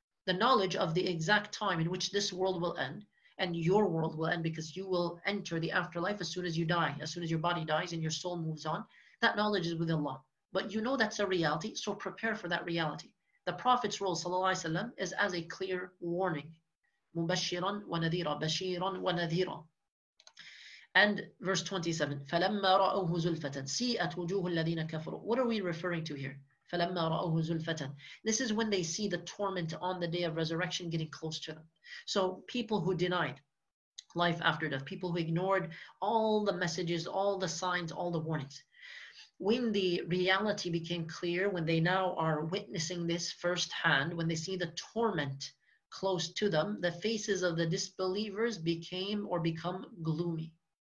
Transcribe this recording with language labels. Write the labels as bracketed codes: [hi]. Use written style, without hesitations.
[en] The knowledge of the exact time in which this world will end and your world will end, because you will enter the afterlife as soon as you die, as soon as your body dies and your soul moves on, that knowledge is with Allah. But you know that's a reality, so prepare for that reality. The Prophet's role, [ar] صلى الله عليه وسلم, [en] is as a clear warning. [ar] مُبَشِّرًا وَنَذِيرًا بَشِيرًا وَنَذِيرًا. [en] And verse 27, [ar] فَلَمَّا رَأَوْهُ زُلْفَةً سِيئَتْ وُجُوهُ الَّذِينَ كَفَرُوا. [en] What are we referring to here? [ar] فَلَمَّا رَأَوْهُ زُلْفَةً. [en] This is when they see the torment on the day of resurrection getting close to them. So people who denied life after death, people who ignored all the messages, all the signs, all the warnings. When the reality became clear, when they now are witnessing this firsthand, when they see the torment close to them, the faces of the disbelievers become gloomy.